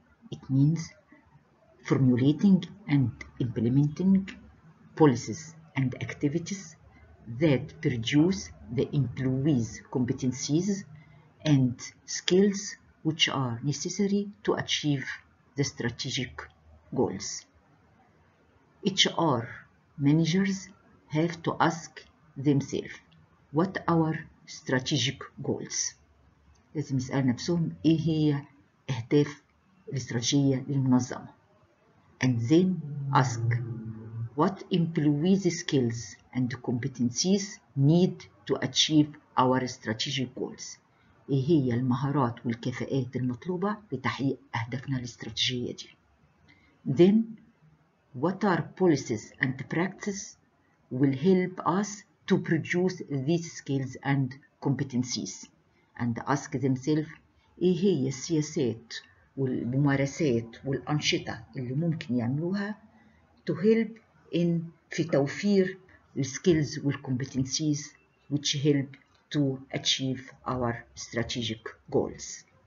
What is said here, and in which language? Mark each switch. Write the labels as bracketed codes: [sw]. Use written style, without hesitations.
[en] It means formulating and implementing policies and activities that produce the employees' competencies and skills which are necessary to achieve the strategic goals. HR managers have to ask themselves, what are our strategic goals? [ar] لازم يسأل نفسهم إيه هي أهداف الاستراتيجية للمنظمة. [en] And then ask what employees' skills and competencies need to achieve our strategic goals. [ar] إيه هي المهارات والكفاءات المطلوبة لتحقيق أهدافنا الاستراتيجية دي. [en] Then what are policies and practices will help us to produce these skills and competencies. And ask themselves [ar] إيه هي السياسات والممارسات والأنشطة اللي ممكن يعملوها [en] to help in [ar] في توفير [en] skills والcompetencies which help to achieve our strategic goals.